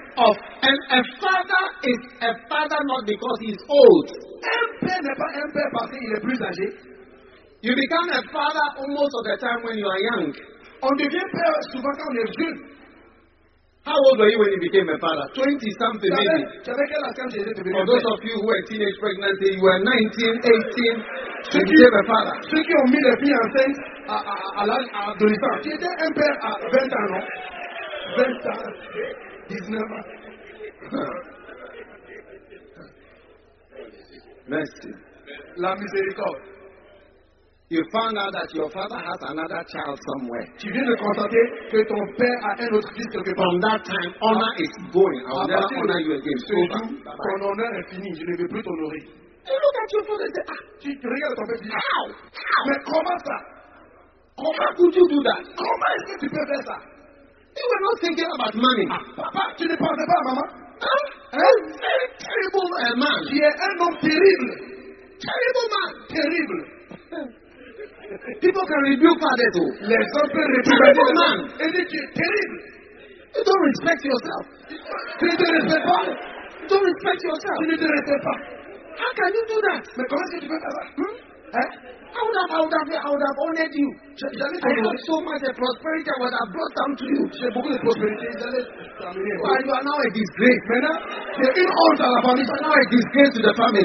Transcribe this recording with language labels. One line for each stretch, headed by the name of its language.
English: of, and a father is a father not because he is old.
French: Un père n'est pas un père parce qu'il est plus âgé.
English: You become a father almost of the time when you are young.
French: On devient père souvent quand on est jeune.
English: How old were you when you became a father? 20 something maybe. For those of you who were teenage pregnancy, you were 19, 18, so you became a father.
French: Ceux qui ont mis les filles enceintes à l'âge adolescent. Tu étais un père à 20 ans, non? 20 ans, 19 ans. Merci. La miséricorde.
English: You found out that your father has another child somewhere.
French: Tu viens de constater que ton père a un autre fils quelque part.
English: From that time, honor is going. I will never honor you again. So
French: ton honneur est fini. Je ne veux plus t'honorer.
English: You look at your father and say,
French: tu regardes ton père et dis,
English: how?
French: Mais comment ça?
English: How could you do that?
French: Comment est-ce que tu peux faire ça?
English: You were not thinking about money.
French: Papa, tu ne pensais pas à maman?
English: Very terrible man.
French: Qui est un homme terrible.
English: Terrible man.
French: Terrible.
English: People can rebuke father too.
French: Les hommes peuvent rebuke
English: father. Terrible man.
French: Et dit qu'il est terrible.
English: You don't respect yourself.
French: Tu ne te respectes pas.
English: You don't respect yourself.
French: Tu ne te respectes pas.
English: How can you do that?
French: Mais comment est-ce que tu peux faire ça?
English: I would have honored you. I have so much of prosperity I would have brought down to you.
French: J'ai beaucoup de prospérité.
English: Why you are now a disgrace, man? You are in honor to the family. You are now a disgrace to the family.